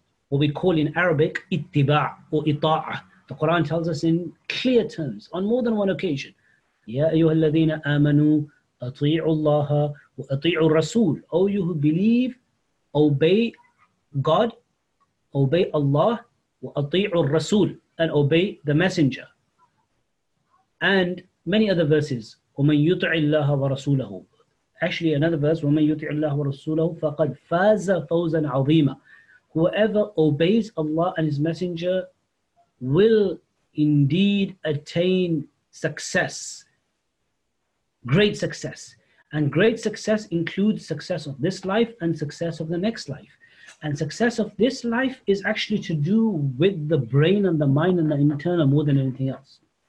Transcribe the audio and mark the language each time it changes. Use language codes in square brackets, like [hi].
[en] What we call in Arabic, ittiba' or ita'ah. The Quran tells us in clear terms, on more than one occasion, [ar] Ya ayyuha alladhina amanu, ati'u allaha wa ati'u rasul. [en] O you who believe, obey God, obey Allah, [ar] wa ati'u rasul, [en] and obey the Messenger. And many other verses, [ar] وَمَنْ يُطِعِ اللَّهَ وَرَسُولَهُ. [en] Actually, another verse, [ar] وَمَنْ يُطِعِ اللَّهَ وَرَسُولَهُ فَقَدْ فَازَ فَوْزًا عَظِيمًا. [en] Whoever obeys Allah and his Messenger will indeed attain success, great success. And great success includes success of this life and success of the next life. And success of this life is actually to do with the brain and the mind and the internal more than anything else.